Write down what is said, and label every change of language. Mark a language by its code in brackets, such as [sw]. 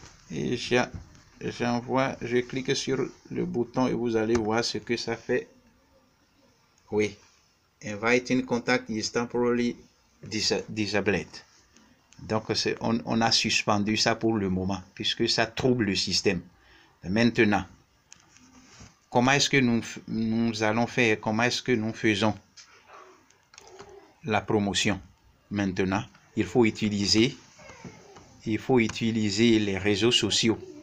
[fr] Et je clique sur le bouton et vous allez voir ce que ça fait. Oui. [en] Inviting contact is temporarily disabled. [fr] Donc, on a suspendu ça pour le moment, puisque ça trouble le système. Maintenant, comment est-ce que nous allons faire, comment est-ce que nous faisons la promotion? Maintenant, il faut utiliser les réseaux sociaux.